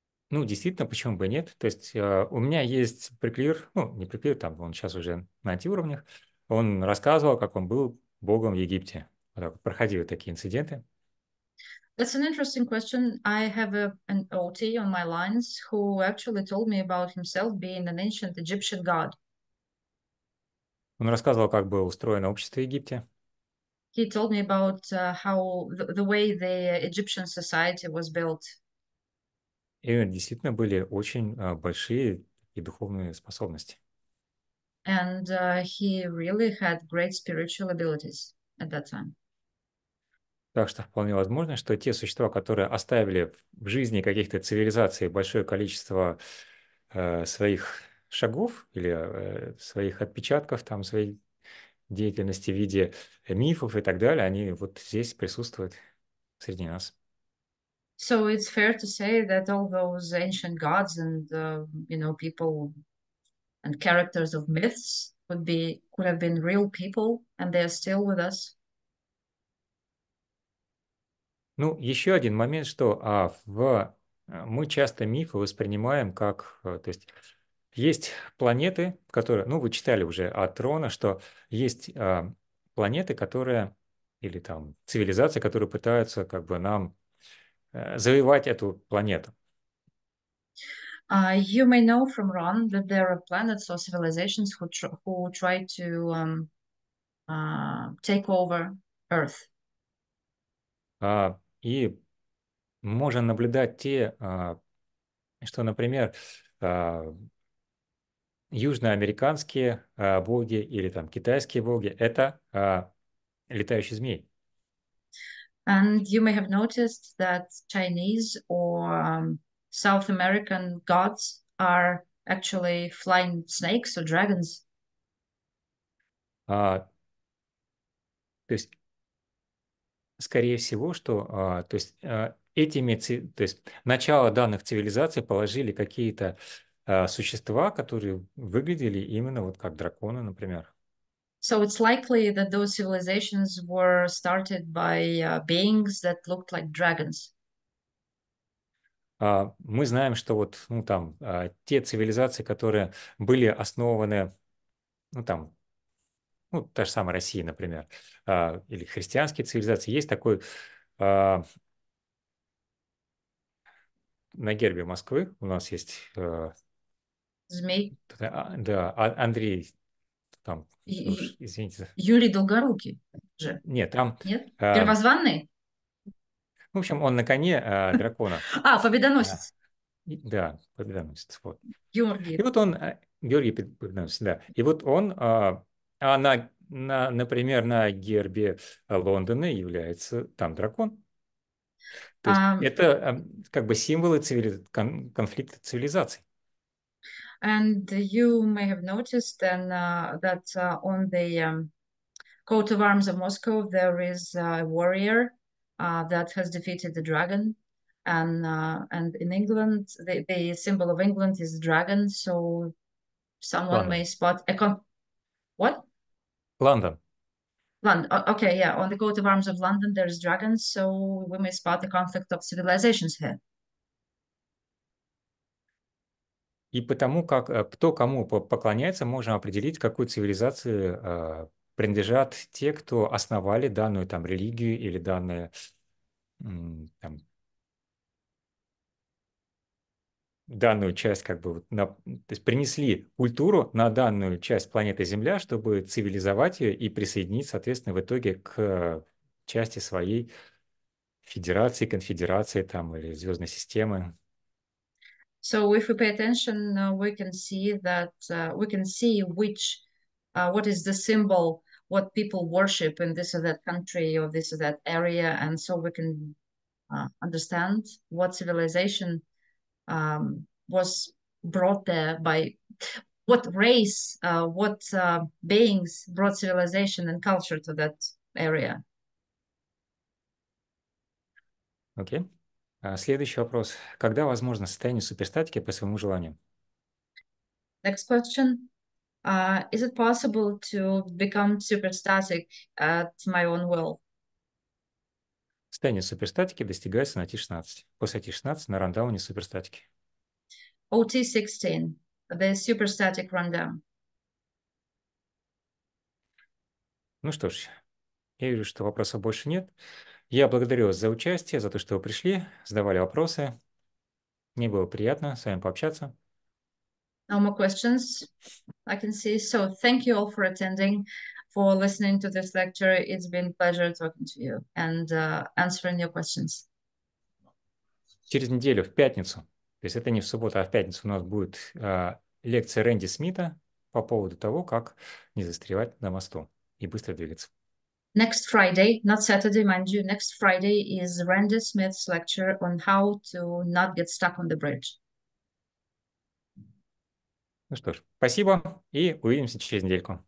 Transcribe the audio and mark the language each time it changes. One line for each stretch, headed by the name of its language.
Russian: Ну, действительно, почему бы нет? То есть у меня есть приклир, ну, не приклир, там, он сейчас уже на IT-уровнях, он рассказывал, как он был богом в Египте. Вот так, проходили такие инциденты.
English: That's an interesting question. I have an OT on my lines who actually told me about himself being an ancient Egyptian god.
Russian: Он рассказывал, как было устроено общество в Египте.
English: He told me about how the way the Egyptian society was built.
Russian: И действительно были очень большие и духовные способности.
English: And he really had great spiritual abilities at that time.
Russian: Так что вполне возможно, что те существа, которые оставили в жизни каких-то цивилизаций большое количество своих шагов или своих отпечатков, там, своей деятельности в виде мифов и так далее, они вот здесь присутствуют среди нас.
English: So it's fair to say that all those ancient gods and you know, people and characters of myths could have been real people, and they are still with us.
Russian: Ну, еще один момент, что мы часто мифы воспринимаем как, то есть есть планеты, которые, ну, вы читали уже от Рона, что есть планеты, которые, или там цивилизации, которые пытаются как бы нам завоевать эту планету.
English: You may know from Ron that there are planets or civilizations who try to take over Earth.
Russian: И можно наблюдать те, что, например, южноамериканские боги или там китайские боги – это летающие змеи.
English: And you may have noticed that Chinese or South American gods are actually flying snakes or dragons.
Russian: То есть скорее всего, что то есть, этими, то есть, начало данных цивилизаций положили какие-то существа, которые выглядели именно вот как драконы, например.
English: So it's likely that those civilizations were started by beings that looked like dragons.
Russian: Мы знаем, что вот, ну, там, те цивилизации, которые были основаны, ну, там, ну, та же самая Россия, например, или христианские цивилизации, есть такой на гербе Москвы у нас есть... Змей. Да, Андрей там... Извините. Юрий Долгорукий же. Нет, там... Нет? Первозванный? В общем, он на коне дракона. А, победоносец. Да, победоносец. Вот. Георгий. И вот он... Георгий Победоносец, да. И вот он... например, на гербе Лондона является там дракон. То есть это как бы символы конфликта цивилизаций.
English: And you may have noticed then that on the coat of arms of Moscow there is a warrior that has defeated the dragon. And in England the symbol of England is a dragon, so someone London. May spot a what? London. London. Okay, yeah. On the coat of arms of London there is dragons, so we may spot the conflict of civilizations here.
Russian: И потому как кто кому поклоняется, можно определить, какую цивилизацию принадлежат те, кто основали данную там религию или данное там, данную часть, как бы на, то есть принесли культуру на данную часть планеты Земля, чтобы цивилизовать ее и присоединить, соответственно, в итоге к части своей федерации, конфедерации там, или звездной системы.
English: So if we pay attention, we can see that we can see which what is the symbol, what people worship in this or that country or this or that area, and so we can understand what civilization was brought there by what race, what beings brought civilization and culture to that area.
Russian: Okay. Следующий вопрос. Когда возможно состояние суперстатики по своему желанию?
English: Next question. Is it possible to become superstatic at my own will?
Russian: Состояние суперстатики достигается на T16. После T16 на рандауне суперстатики.
English: OT16. The superstatic rundown.
Russian: Ну что ж, я вижу, что вопросов больше нет. Я благодарю вас за участие, за то, что вы пришли, задавали вопросы. Мне было приятно с вами пообщаться.
English: No more questions, I can see. So thank you all for attending, for listening to this lecture. It's been a pleasure talking to you and answering your questions.
Russian: Через неделю, в пятницу, то есть это не в субботу, а в пятницу, у нас будет лекция Рэнди Смита по поводу того, как не застревать на мосту и быстро двигаться.
English: Next Friday, not Saturday, mind you, next Friday is Randy Smith's lecture on how to not get stuck on the bridge.
Russian: Ну что ж, спасибо и увидимся через недельку.